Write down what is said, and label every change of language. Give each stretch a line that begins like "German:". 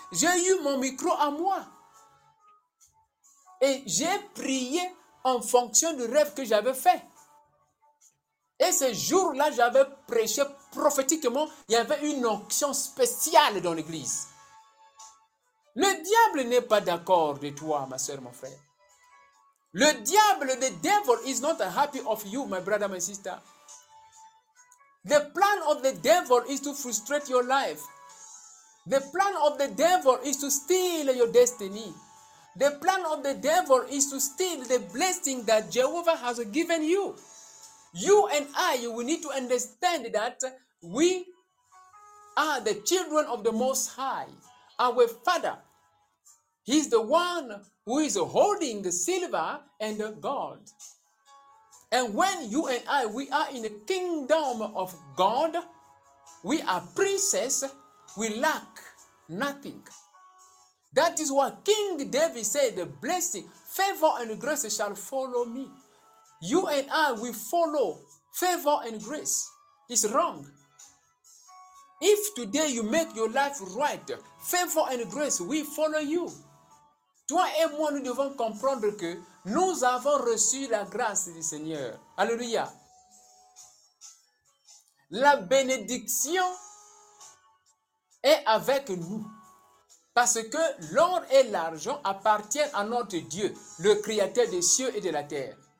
French: J'ai eu mon micro à moi. Et j'ai prié en fonction du rêve que j'avais fait. Et ce jour-là, j'avais prêché prophétiquement. Il y avait une onction spéciale dans l'église. Le diable n'est pas d'accord de toi, ma soeur, mon frère. Le diable,
English: the devil, is not happy of you, my brother, my sister. The plan of the devil is to frustrate your life. The plan of the devil is to steal your destiny. The plan of the devil is to steal the blessing that Jehovah has given you. You and I, we need to understand that we are the children of the Most High. Our Father, He is the one who is holding the silver and the gold. And when you and I, we are in the kingdom of God, we are princes, we lack nothing. That is what King David said, the blessing, favor and grace shall follow me. You and I, we follow favor and grace. It's wrong. If today you make your life right, favor and grace will follow you.
French: Toi et moi, nous devons comprendre que nous avons reçu la grâce du Seigneur. Alléluia. La bénédiction est avec nous. Parce que l'or et l'argent appartiennent à notre Dieu, le Créateur des cieux et de la terre.